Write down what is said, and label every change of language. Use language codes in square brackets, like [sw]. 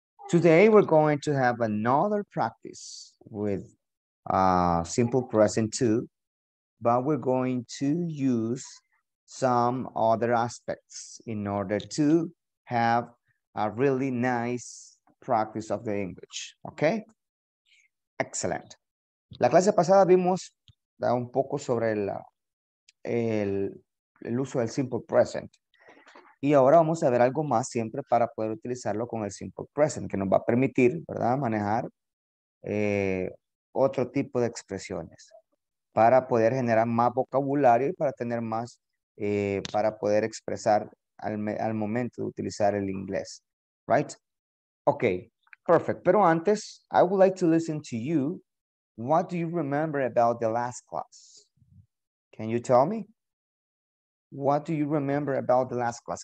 [en] Today, we're going to have another practice with simple present too, but we're going to use some other aspects in order to have a really nice practice of the English, okay? Excellent. [es] La clase pasada vimos un poco sobre el uso del simple present. Y ahora vamos a ver algo más siempre para poder utilizarlo con el simple present, que nos va a permitir, ¿verdad?, manejar otro tipo de expresiones para poder generar más vocabulario y para tener más, para poder expresar al momento de utilizar el inglés, right? [en] Okay, perfect. [es] Pero antes, [en] I would like to listen to you. What do you remember about the last class? Can you tell me? What do you remember about the last class?